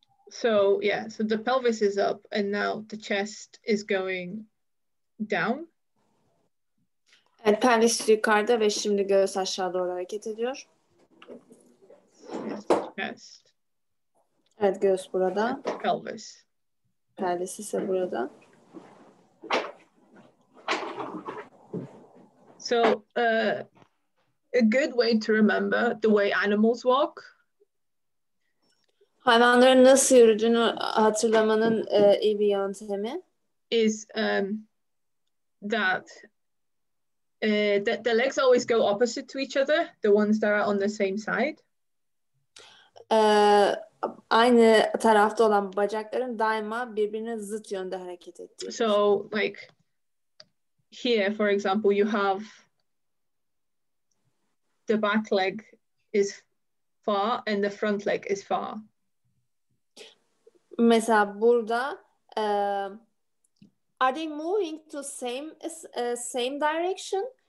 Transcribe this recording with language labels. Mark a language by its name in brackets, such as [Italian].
[English] So, yeah, so the pelvis is up and now the chest is going down. [Turkish] Evet, pelvis yukarıda ve şimdi göğüs aşağı doğru hareket ediyor. [English] Yes. [Turkish] Evet, göğüs burada. [English] Pelvis. [Turkish] Pelvis ise burada. [English] So, a good way to remember the way animals walk. [Turkish] Hayvanların nasıl yürüdüğünü hatırlamanın iyi bir yöntemi [English] is that the legs always go opposite to each other, the ones that are on the same side. [Turkish] Aynı tarafta olan bacakların daima birbirine zıt yönde hareket ettiği. [English] So, like here, for example, you have the back leg is far and the front leg is far. [Turkish] Mesela burada [English] are they moving to same same direction?